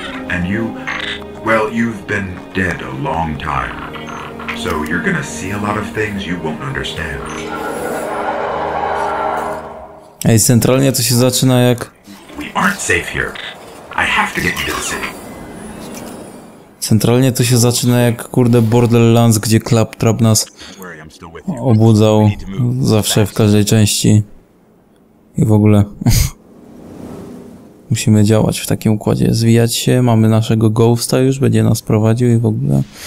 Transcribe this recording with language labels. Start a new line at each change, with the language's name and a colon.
English: And you, well, you've been dead a long time. So you're gonna see a lot of things you won't understand.
Polish: Ej, centralnie to się zaczyna jak...
English: We aren't safe here. I have to get you to the city.
Polish: Centralnie to się zaczyna jak, kurde, Borderlands, gdzie Claptrap nas obudzał zawsze w każdej części. I w ogóle... Musimy działać w takim układzie, zwijać się, mamy naszego ghosta już, będzie nas prowadził i w ogóle...